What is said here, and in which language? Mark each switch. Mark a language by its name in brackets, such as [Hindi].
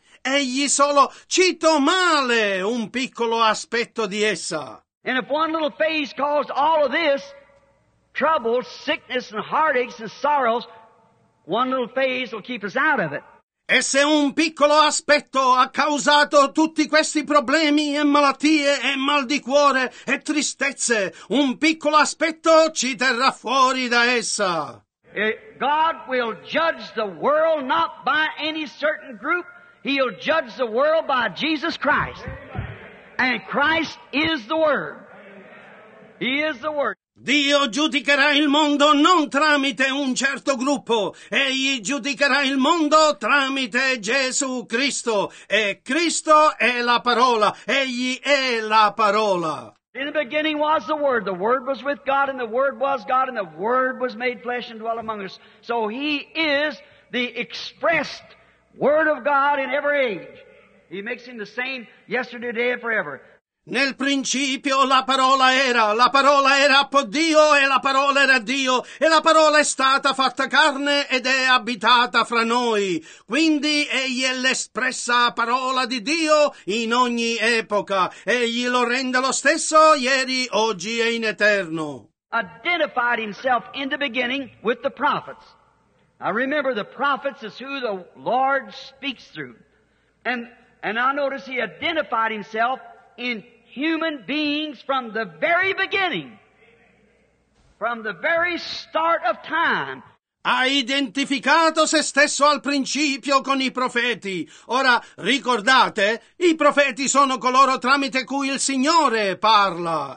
[Italian] Egli solo citò male un piccolo aspetto di essa. [English] And if one little phase caused all of this, trouble, sickness and heartaches and sorrows, one little phase will keep us out of it. [Italian] E se un piccolo aspetto ha causato tutti questi problemi e malattie e mal di cuore e tristezze, un piccolo aspetto ci terrà fuori da essa. [English] God will judge the world not by any certain group. He'll judge the world by Jesus Christ. And Christ is the Word. He is the Word. [Italian] Dio giudicherà il mondo non tramite un certo gruppo. Egli giudicherà il mondo tramite Gesù Cristo. E Cristo è la parola. Egli è la parola. [English] In the beginning was the Word. The Word was with God, and the Word was God, and the Word was made flesh and dwelt among us. So he is the expressed Word of God in every age. He makes him the same yesterday, today, and forever. [Italian] Nel principio la parola era con Dio e la parola era Dio e la parola è stata fatta carne ed è abitata fra noi. Quindi egli è l'espressa parola di Dio in ogni epoca. Egli lo rende lo stesso ieri, oggi e in eterno. [English] Identified himself in the beginning with the prophets. I remember the prophets is who the Lord speaks through. And I notice he identified himself in human beings from the very beginning, from the very start of time. [Italian] Ha identificato se stesso al principio con i profeti. Ora, ricordate, i profeti sono coloro tramite cui il Signore parla.